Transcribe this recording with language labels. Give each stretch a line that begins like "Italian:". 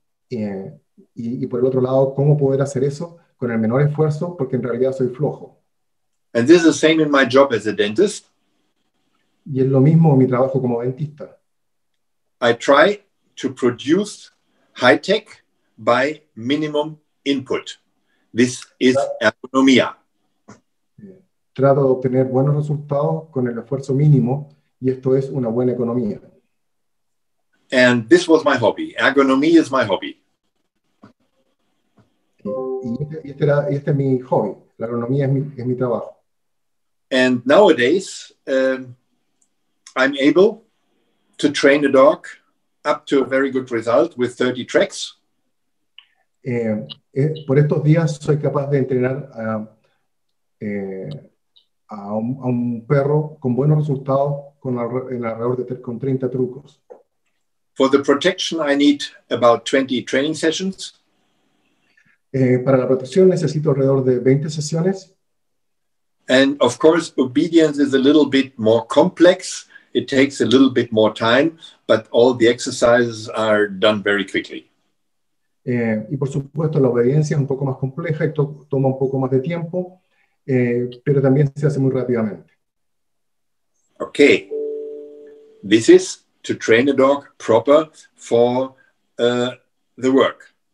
Spanish: Y por el otro lado, ¿cómo poder hacer eso con el menor esfuerzo? Porque en realidad soy flojo.
English: And this is the same in my job as a dentist.
Spanish: Y es lo mismo en mi trabajo como dentista.
English: I try to produce high tech by minimum input. This is ergonomía.
Spanish: Trato de obtener buenos resultados con el esfuerzo mínimo y esto es una buena economía.
English: And this was my hobby. Agronomy is my hobby.
Spanish: Y este es mi hobby. La agronomía es mi trabajo.
English: And nowadays, I'm able to train a dog up to a very good result with 30 treks.
Spanish: Por estos días soy capaz de entrenar a un perro con buenos resultados con 30 trucos.
English: For the protection, I need about 20 training sessions.
Spanish: Para la protección necesito alrededor de 20 sesiones.
English: And of course, obedience is a little bit more complex. It takes a little bit more time, but all the exercises are done very quickly.
Spanish: Y por supuesto, la obediencia es un poco más compleja y toma un poco más de tiempo, pero también se hace muy rápidamente.
English: Okay. This is to train a dog proper for the work.